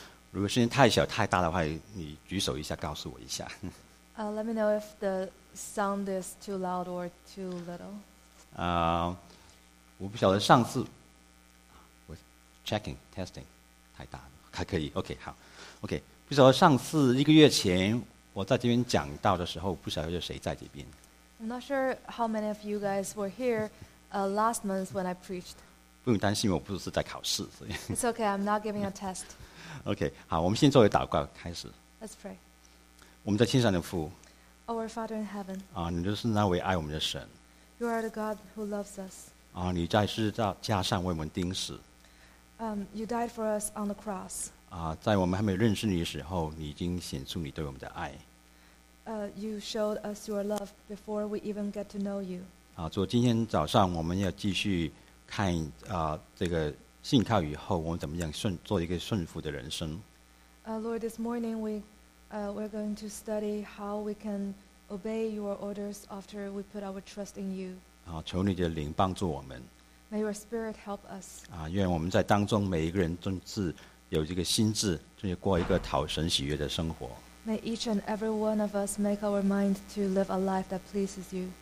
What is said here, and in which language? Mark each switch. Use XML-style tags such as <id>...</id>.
<zh>如果声音太小太大的话，你举手一下，告诉我一下。</zh> <en>Let me know if the sound is too loud or too little.</en> <zh>我不晓得上次。</zh> <en>Checking, testing.</en> <zh>太大了，还可以。OK，好。 OK， 不晓得上次一个月前我在这边讲到的时候，不晓得有谁在这边。</zh> <en>I'm not sure how many of you guys were here last month when I preached.</en> <zh>不用担心，我不是在考试，所以。It's</zh> <en>OK, I'm not giving a test.</en> <zh>OK， 好，我们先作为祷告开始。</zh> <en>Let's pray.</en> <zh>我们在天上的父。</zh> <en>Our Father in heaven.</en> <zh>你就是那位爱我们的神。</zh> <en>You are the God who loves us.</en> <zh>你在十字架上为我们钉死。</zh> <en>You died for us on the cross.</en> <zh>在我们还没认识你的时候，你已经显出你对我们的爱。</zh> <en>You showed us your love before we even get to know you.</en> <zh>主，今天早上我们要继续看 这个信靠以后，我们怎么样做一个顺服的人生。</zh> <en>Lord, this morning we're going to study how we can obey your orders after we put our trust in you.</en> <zh>求你的灵帮助我们。</zh> <en>May your spirit help us.</en> <zh>愿我们在当中每一个人都是有这个心智，就是过一个讨神喜悦的生活。</zh> <en>May each and every one of us make our mind to live a life that pleases you.</en>